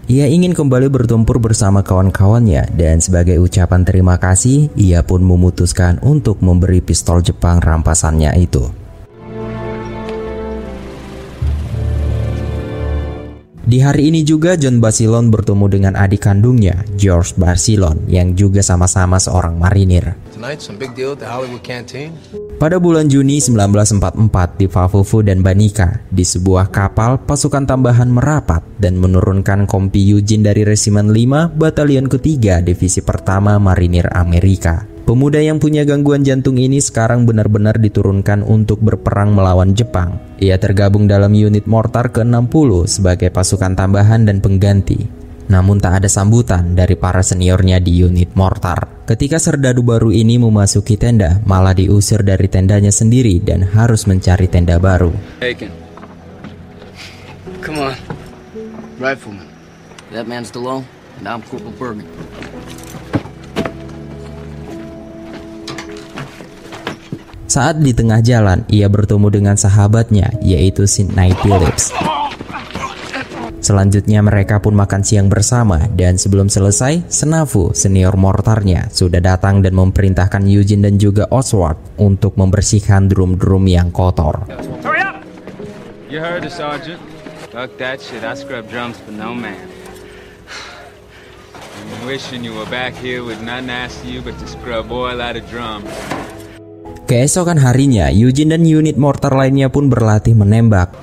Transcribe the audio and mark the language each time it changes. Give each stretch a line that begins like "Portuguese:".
Indonesian: Ia ingin kembali bertempur bersama kawan-kawannya, dan sebagai ucapan terima kasih, ia pun memutuskan untuk memberi pistol Jepang rampasannya itu. Di hari ini juga, John Basilon bertemu dengan adik kandungnya, George Basilon, yang juga sama-sama seorang marinir.
English: Tonight, some big deal at the Hollywood Canteen.
Indonesian: Pada bulan Juni 1944 di Pafufu dan Banika, di sebuah kapal, pasukan tambahan merapat dan menurunkan Kompi Eugene dari Resimen 5, Batalion ke-3, Divisi Pertama Marinir Amerika. Pemuda yang punya gangguan jantung ini sekarang benar-benar diturunkan untuk berperang melawan Jepang. Ia tergabung dalam unit mortar ke-60 sebagai pasukan tambahan dan pengganti. Namun tak ada sambutan dari para seniornya di unit mortar. Ketika serdadu baru ini memasuki tenda, malah diusir dari tendanya sendiri dan harus mencari tenda baru.
English: Aiken. Come on. Rifleman. That man's DeLong, and I'm Corporal Bergman.
Indonesian: Saat di tengah jalan, ia bertemu dengan sahabatnya, yaitu Sidney Phillips. Selanjutnya mereka pun makan siang bersama, dan sebelum selesai, Senafu, senior mortarnya, sudah datang dan memerintahkan Eugene dan juga Oswald untuk membersihkan drum-drum yang kotor.
English: Hurry up! You heard the sergeant. Fuck that shit, I scrub drums for no man. I'm wishing you were back here with nothing asking you but to scrub oil out of drums.
Indonesian: Keesokan harinya, Eugene dan unit mortar lainnya pun berlatih menembak.